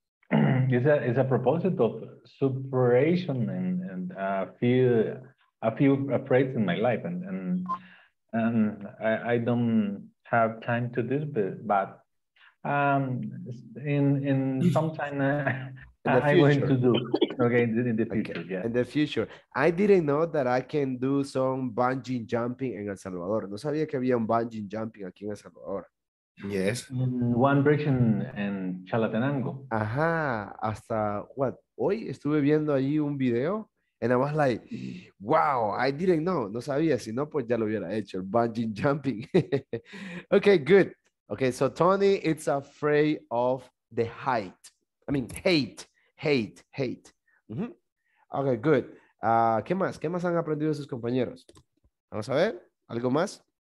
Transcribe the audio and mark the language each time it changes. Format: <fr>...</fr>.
<en>it's a proposal of superation and a few afraid in my life and I don't have time to do this, but in some time I want to do. Okay, in the future. Okay. Yeah. In the future, I didn't know that I can do some bungee jumping in El Salvador.</en> <es>No sabía que había un bungee jumping aquí en El Salvador.</es> <en>Yes. One bridge in Chalatenango.</en> <es>Ajá. Hasta what? Hoy estuve viendo allí un video.</es> <en>And I was like, wow, I didn't know.</en> <es>No sabía, si no, pues ya lo hubiera hecho.</es> <en>Bungee jumping. Okay, good. Okay, so Tony is afraid of the height. I mean, hate. Mm-hmm. Okay, good.</en> <es>¿Qué más? ¿Qué más han aprendido de sus compañeros? Vamos a ver, ¿algo más?</es>